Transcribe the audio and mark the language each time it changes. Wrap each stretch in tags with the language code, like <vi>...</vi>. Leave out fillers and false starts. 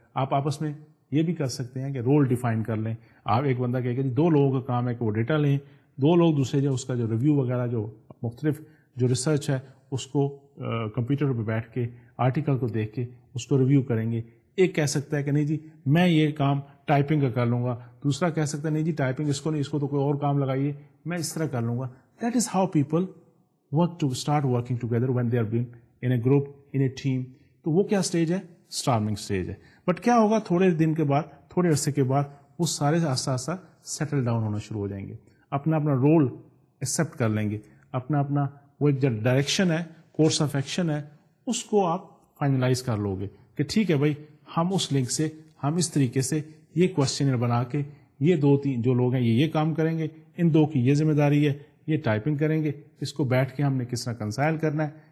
<ur>آپ آپس میں یہ بھی کر سکتے ہیں کہ رول ڈیفائن کر لیں, آپ ایک بندہ کہے کہ دو لوگوں کا کام ہے کہ وہ ڈیٹا لیں, دو لوگ دوسرے جو اس کا جو ریویو وغیرہ جو مختلف جو ریسرچ ہے اس کو کمپیوٹر پہ بیٹھ کے آرٹیکل کو دیکھ کے اس کو ریویو کریں گے. ایک کہہ سکتا ہے کہ نہیں جی میں یہ کام ٹائپنگ کا کر لوں گا, دوسرا کہہ سکتا ہے نہیں جی ٹائپنگ اس کو نہیں, اس کو تو کوئی اور کام لگائیے, میں اس طرح کر لوں گا.</ur> <en>That is how people work to start working together when they are been in a group in a team.</en> <ur>تو وہ کیا اسٹیج ہے, اسٹارمنگ اسٹیج ہے. بٹ کیا ہوگا, تھوڑے دن کے بعد, تھوڑے عرصے کے بعد وہ سارے آہستہ آہستہ سیٹل ڈاؤن ہونا شروع ہو جائیں گے, اپنا اپنا رول ایکسیپٹ کر لیں گے, اپنا اپنا وہ ایک جو ڈائریکشن ہے, کورس آف ایکشن ہے, اس کو آپ فائنلائز کر لو گے کہ ٹھیک ہے بھائی ہم اس لنک سے, ہم اس طریقے سے یہ کوشچنئر بنا کے, یہ دو تین جو لوگ ہیں یہ کام کریں گے, ان دو کی یہ ذمہ داری ہے, یہ ٹائپنگ کریں گے, اس کو بیٹھ کے ہم نے کس طرح کنسائل کرنا ہے,</ur>